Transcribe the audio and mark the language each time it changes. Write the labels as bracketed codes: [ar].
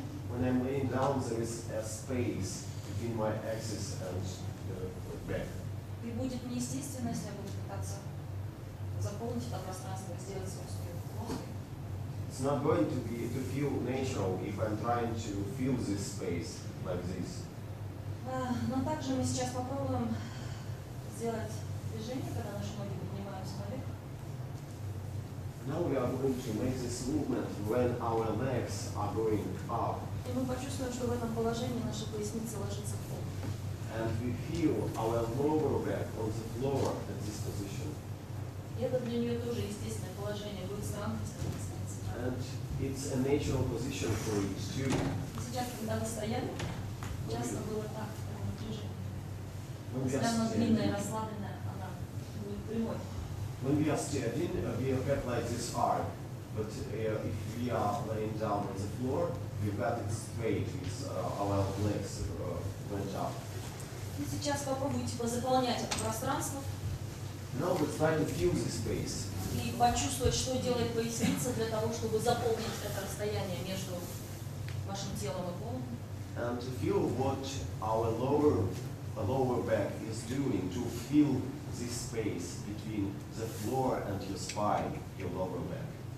[en] When I'm laying down, there is a space between my axis and the back. [ru] И будет неестественно, если я буду пытаться заполнить это пространство, сделать свою спину плоской. [en] It's not going to be to feel natural if I'm trying to fill this space like this. [ru] Но также мы сейчас попробуем сделать движение, когда наши ноги поднимаются наверх. [en] Now we are going to make this movement when our legs are going up. [ru] И мы почувствуем, что в этом положении наша поясница ложится в пол. [en] And we feel our lower back on the floor at this position. [ru] И это для нее тоже естественное положение, будет сравниваться с поясницей. [en] And it's a natural position for you. [ru] Сейчас, когда мы стояли, часто было так, в таком движении. Когда она длинная, расслабленная, она не прямой. [en] When we are standing, we have got like this arc, but if we are laying down on the floor, we've got it straight, it's our legs went up. [ru] Сейчас попробуйте позаполнять это пространство. [en] Now we're trying to fill this space. [ru] И почувствовать, что делает поясница для того, чтобы заполнить это расстояние между вашим телом и полом. [en] And to feel what our lower back is doing to fill this space between the floor and your spine, your lower back.